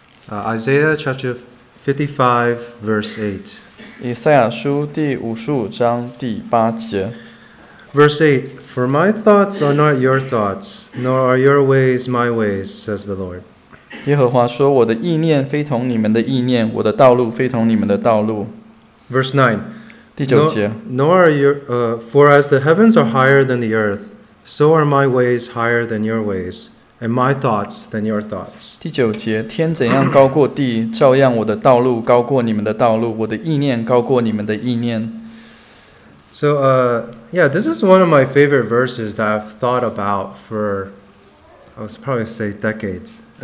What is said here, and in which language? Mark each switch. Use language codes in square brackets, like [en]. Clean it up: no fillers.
[en] Isaiah chapter 55, verse 8. [zh] 以赛亚书第55章第8节. [en] Verse 8, For my thoughts are not your thoughts, nor are your ways my ways, says the Lord. [zh] 耶和华说，我的意念非同你们的意念，我的道路非同你们的道路。 [en] Verse 9, [zh] 第9节. [en] Nor are your, for as the heavens are higher than the earth, so are my ways higher than your ways. And my thoughts than your thoughts. [zh] 第9节, 天怎样高过地, 照样我的道路高过你们的道路, 我的意念高过你们的意念。 [en] So, this is one of my favorite verses that I've thought about for, I was probably say decades.